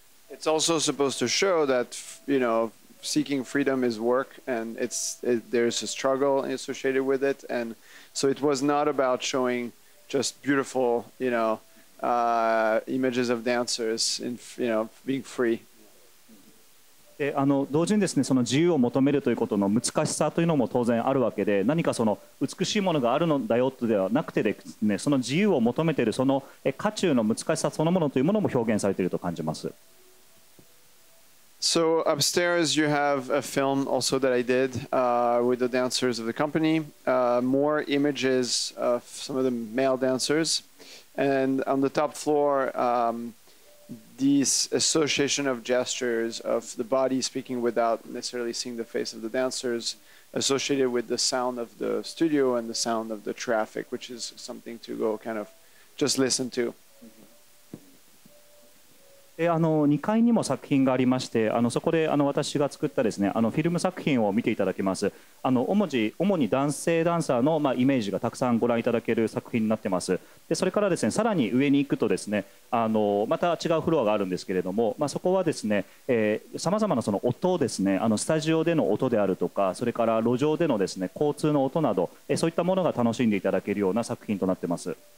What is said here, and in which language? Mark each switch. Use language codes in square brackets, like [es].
[en] It's also supposed to show that, you know, seeking freedom is work, and there's a struggle associated with it. And so it was not about showing just beautiful, you know, images of dancers in, you know, being free. [ja] あの同時にですね、その自由を求めるということの難しさというのも当然あるわけで、何かその美しいものがあるのだよとではなくてですね、その自由を求めているその渦中の難しさそのものというものも表現されていると感じます。 [en] So upstairs you have a film also that I did with the dancers of the company, more images of some of the male dancers, and on the top floor, this association of gestures of the body speaking without necessarily seeing the face of the dancers associated with the sound of the studio and the sound of the traffic, which is something to go kind of just listen to. [ja] あの2階にも作品がありまして、あのそこであの私が作ったですね、あのフィルム作品を見ていただけます。あの 主に男性ダンサーの、まあ、イメージがたくさんご覧いただける作品になってます。でそれからですね、さらに上に行くとですね、あのまた違うフロアがあるんですけれども、まあ、そこはですね、さまざまなその音をですね、あのスタジオでの音であるとか、それから路上でのですね、交通の音など、そういったものが楽しんでいただけるような作品となってます。